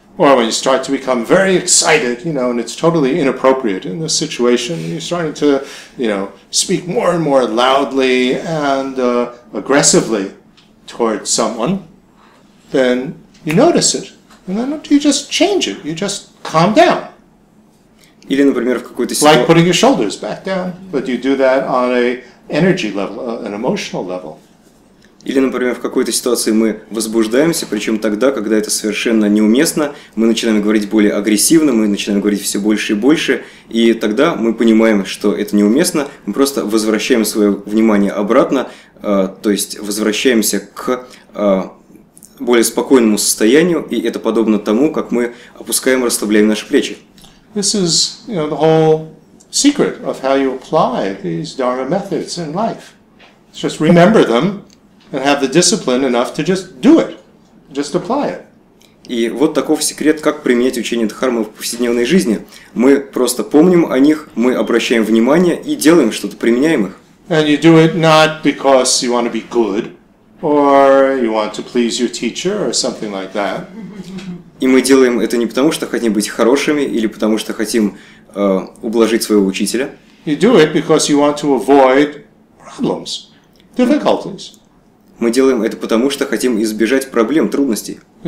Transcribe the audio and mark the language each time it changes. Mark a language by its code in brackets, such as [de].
[en] Or when you start to become very excited, you know, and it's totally inappropriate in this situation, and you're starting to, you know, speak more and more loudly and aggressively towards someone, then you notice it, and then you just change it, you just calm down. [ru] Или, например, в какой-то ситуации. [en] Like putting your shoulders back down, but you do that on an energy level, an emotional level. [ru] Или, например, в какой-то ситуации мы возбуждаемся, причем тогда, когда это совершенно неуместно, мы начинаем говорить более агрессивно, мы начинаем говорить все больше и больше, и тогда мы понимаем, что это неуместно, мы просто возвращаем свое внимание обратно, то есть возвращаемся к более спокойному состоянию, и это подобно тому, как мы опускаем, расслабляем наши плечи. [en] This is, you know, the whole secret of how you apply these Dharma methods in life. Just remember them. And have the discipline enough to just do it, just apply it. [ru] И вот таков секрет, как применять учение Дхармы в повседневной жизни. Мы просто помним о них, мы обращаем внимание и делаем что-то, применяем их. [en] And you do it not because you want to be good, or you want to please your teacher, or something like that. [ru] И мы делаем это не потому, что хотим быть хорошими, или потому, что хотим ублажить своего учителя. [en] You do it because you want to avoid problems, difficulties. [ru] Мы делаем это потому, что хотим избежать проблем, трудностей.